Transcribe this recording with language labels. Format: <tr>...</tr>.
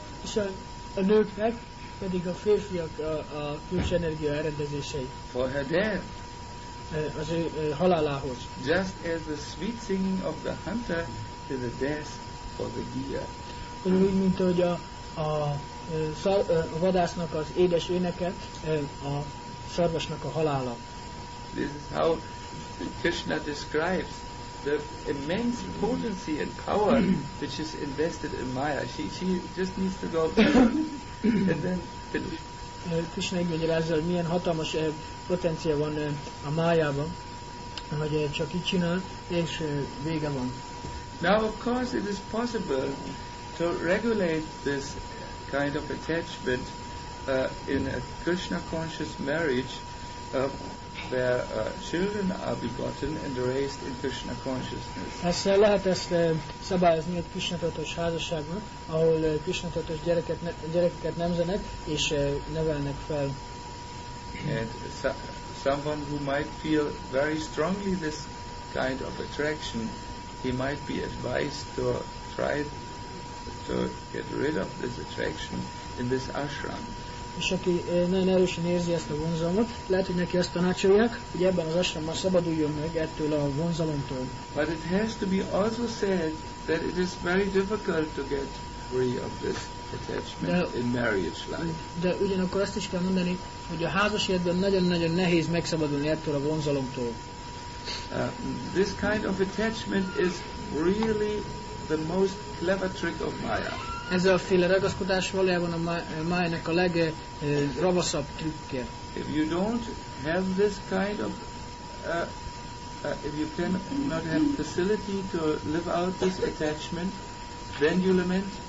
<hu>És a nőknek pedig a férfiak a külső energia elrendezései.</hu> <en>For her death.</en> <hu>Az ő halálához.</hu> <en>Just as the sweet singing of the hunter is a death for the deer.</en> <hu>Úgy, mint hogy a vadásznak az édes éneke, a szarvasnak a halála.</hu> <en>This is how Krishna describes the immense potency and power which is invested in Maya. She just needs to go and then finish.</en> <hu>Krishna megmagyarázza, hogy milyen hatalmas potencia van a Mayában, hogy csak így csinál, és vége van.</hu> <en>Now of course it is possible to regulate this kind of attachment in a Krishna conscious marriage where children are begotten and raised in Krishna consciousness.</en> <hu>Ezt lehet ezt szabályozni egy Krishna tudatos házasságban, ahol Krishna tudatos gyerekeket nemzenek és nevelnek fel.</hu> <en>And someone who might feel very strongly this kind of attraction, he might be advised to try to get rid of this attraction in this ashram.</en> <hu>És aki nagyon erősen érzi ezt a vonzalmat, lehet, hogy neki azt tanácsolják, hogy ebben az ashramban szabaduljon meg ettől a vonzalomtól.</hu> <en>But it has to be also said that it is very difficult to get free of this attachment in marriage life.</en> <hu>De ugyanakkor azt is kell mondani, hogy a házas életben nagyon-nagyon nehéz megszabadulni ettől a vonzalomtól.</hu> <en>This kind of attachment is really the most clever trick of Maya.</en> <hu>Ez a féle ragaszkodás valójában a Mayának a legravaszabb trükkje.</hu> <en>If you don't have this kind of if you cannot have facility to live out this attachment, then you lament.</en>